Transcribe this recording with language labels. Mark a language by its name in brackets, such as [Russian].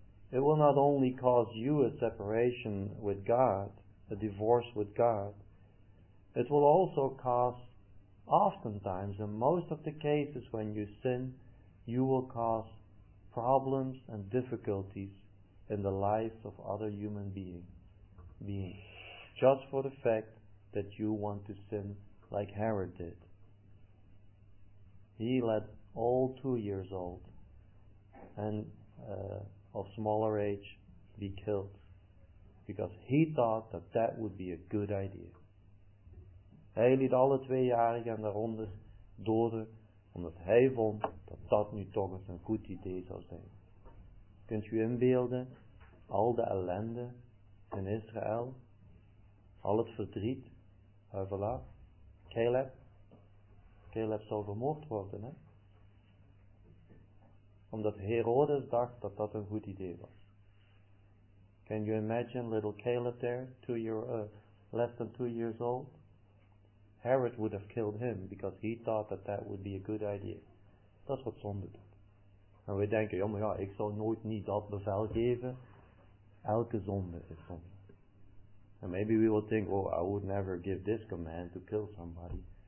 [English] It will not only cause you a separation with God, a divorce with God, it will also cause, oftentimes, in most of the cases when you sin, you will cause problems and difficulties in the lives of other human beings, just for the fact that you want to sin like Herod did. He let all 2 years old and of smaller age be killed because he thought that that would be a good idea. [Dutch] Hij liet alle 2-jarigen en daaronder doden omdat hij vond dat dat nu toch eens een goed idee zou zijn. Kunt u inbeelden al de ellende in Israël, al het verdriet, voilà, Caleb zou vermoord worden, hè? Omdat Herodes dacht dat dat een goed idee was. [English] Can you imagine little Caleb there, less than 2 years old? Herod would have killed him because he thought that that would be a good idea. [Dutch] Dat is wat zonde doet. En we denken, [English] oh my God, [Dutch] ik zou nooit niet dat bevel geven. Elke zonde is zonde. [English] And maybe we will think, oh, I would never give this command to kill somebody.